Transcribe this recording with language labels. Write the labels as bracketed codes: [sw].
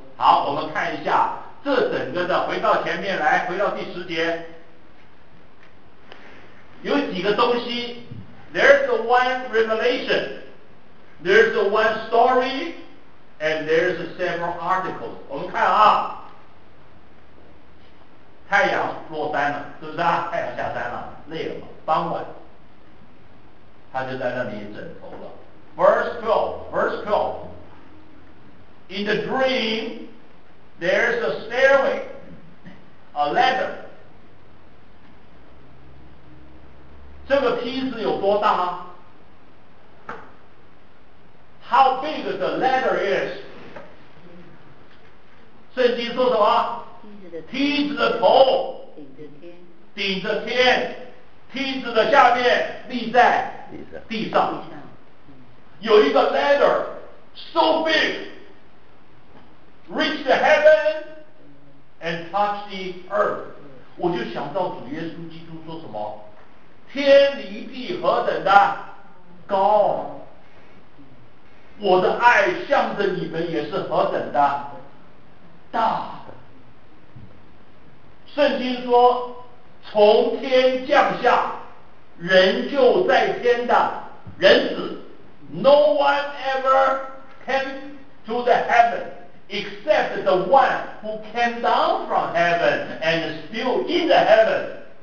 [zh] 好，我们看一下。这整个的回到前面来，回到第十节，有几个东西。 [en] There's the one revelation, there's the one story, and there's several articles. [zh] 我们看啊，太阳落山了，是不是啊？太阳下山了，累了嘛，傍晚他就在那里枕头了。 [en] verse 12 in the dreamThere's a stairway, a ladder. [zh] 这个梯子有多大？ [en] How big the ladder is? [zh] 圣经说什么？梯子的头顶着天，梯子的下面立在地上。有一个 [en] ladder so big. Reach the heaven and touch the earth. [zh] 我就想到主耶稣基督说什么，天离地何等的高，我的爱向着你们也是何等的大。圣经说从天降下人就在天的人子， [en] No one ever came to the heavenExcept the one who came down from heaven and is still in the heaven.